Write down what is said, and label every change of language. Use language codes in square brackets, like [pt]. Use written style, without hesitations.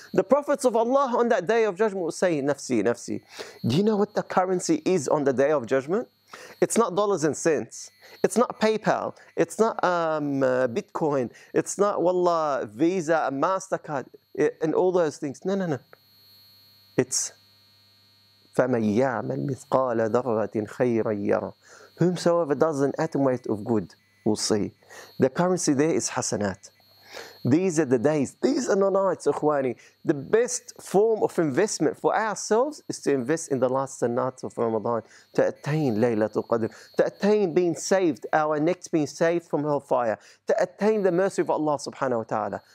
[en] The prophets of Allah on that Day of Judgment will say, nafsi, nafsi. Do you know what the currency is on the Day of Judgment? It's not dollars and cents. It's not PayPal. It's not Bitcoin. It's not, wallah, Visa, MasterCard, and all those things. No, no, no. It's, [ar] فَمَنْ يَعْمَلْ مِثْقَالَ ذَرَّةٍ خَيْرًا يَرَى. [en] Whomsoever does an atom weight of good will see. The currency there is hasanat. These are the days. These are the nights, ikhwani. The best form of investment for ourselves is to invest in the last nights of Ramadan to attain Laylatul Qadr, to attain being saved, our necks being saved from hellfire, to attain the mercy of Allah subhanahu wa ta'ala.